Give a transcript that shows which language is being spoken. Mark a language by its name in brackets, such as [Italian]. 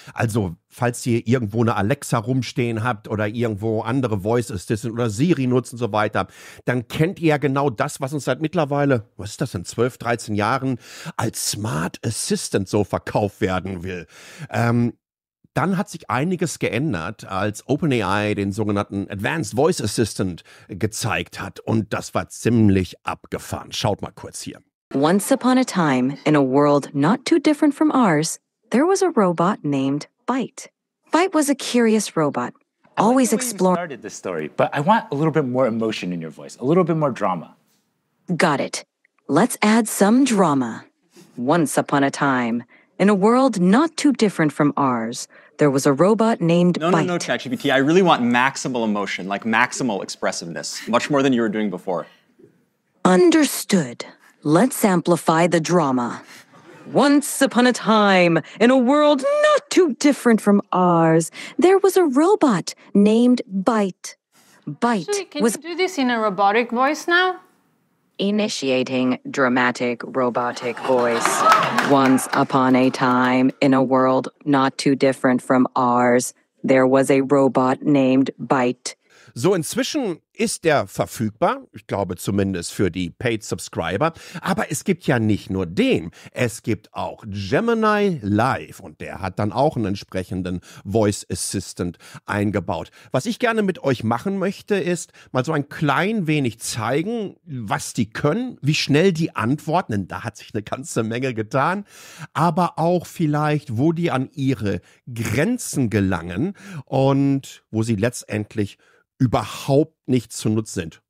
[German] Also, falls ihr irgendwo eine Alexa rumstehen habt oder irgendwo andere Voice Assistant oder Siri nutzt und so weiter, dann kennt ihr ja genau das, was uns seit mittlerweile, was ist das denn, 12, 13 Jahren als Smart Assistant so verkauft werden will. Dann hat sich einiges geändert, als OpenAI den sogenannten Advanced Voice Assistant gezeigt hat. Und das war ziemlich abgefahren. Schaut mal kurz hier. [English] Once upon a time, in a world not too different from ours, there was a robot named Byte. Byte was a curious robot, always exploring. I started this story, but I want a little bit more emotion in your voice, a little bit more drama. Got it. Let's add some drama. Once upon a time. In a world not too different from ours, there was a robot named Byte. No, ChatGPT, I really want maximal emotion, like maximal expressiveness, much more than you were doing before. Understood. Let's amplify the drama. Once upon a time, in a world not too different from ours, there was a robot named Byte. Byte was... Can you do this in a robotic voice now? Initiating dramatic robotic voice. Once upon a time, in a world not too different from ours, there was a robot named Byte. [German] So, inzwischen ist der verfügbar, ich glaube zumindest für die Paid Subscriber. Aber es gibt ja nicht nur den, es gibt auch Gemini Live und der hat dann auch einen entsprechenden Voice Assistant eingebaut. Was ich gerne mit euch machen möchte, ist mal so ein klein wenig zeigen, was die können, wie schnell die antworten, denn da hat sich eine ganze Menge getan, aber auch vielleicht, wo die an ihre Grenzen gelangen und wo sie letztendlich überhaupt nicht zu nutzen sind.